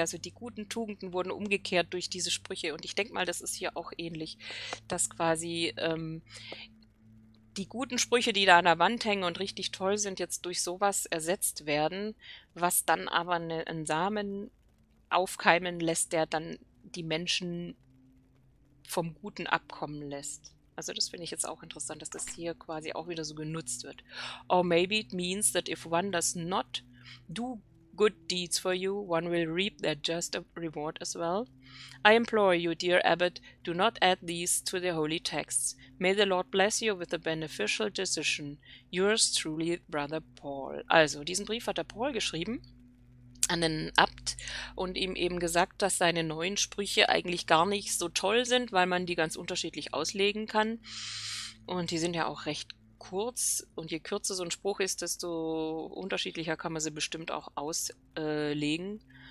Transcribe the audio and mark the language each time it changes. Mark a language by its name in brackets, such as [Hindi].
[German] Also die guten Tugenden wurden umgekehrt durch diese Sprüche. Und ich denke mal, das ist hier auch ähnlich, dass quasi die guten Sprüche, die da an der Wand hängen und richtig toll sind, jetzt durch sowas ersetzt werden, was dann aber einen Samen aufkeimen lässt, der dann die Menschen vom Guten abkommen lässt. Also das finde ich jetzt auch interessant, dass das hier quasi auch wieder so genutzt wird. [English] Or maybe it means that if one does not do good deeds for you, one will reap their just reward as well. I implore you, dear abbot, do not add these to the holy texts. May the Lord bless you with a beneficial decision. Yours truly, Brother Paul. [German] Also, diesen Brief hat der Paul geschrieben an den Abt und ihm eben gesagt, dass seine neuen Sprüche eigentlich gar nicht so toll sind, weil man die ganz unterschiedlich auslegen kann. Und die sind ja auch recht kurz. Und je kürzer so ein Spruch ist, desto unterschiedlicher kann man sie bestimmt auch auslegen.